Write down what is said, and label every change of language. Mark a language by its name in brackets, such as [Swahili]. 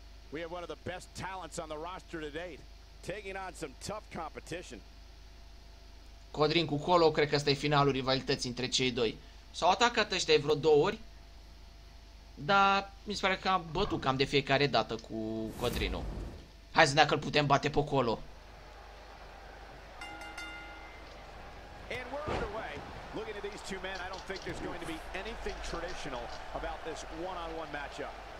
[English] We have one of the best talents on the roster to date, taking on some tough competition. [Romanian] Codrin cu Colo, cred că ăsta e finalul rivalității între cei doi. S-au atacat ăștia vreo două ori, dar mi se pare că am bătut cam de fiecare dată cu Codrinul. Hai să ne dacă îl putem bate pe Colo. [English] And we're underway. Looking at these two men, I don't think there's going to be anything traditional about this one-on-one matchup.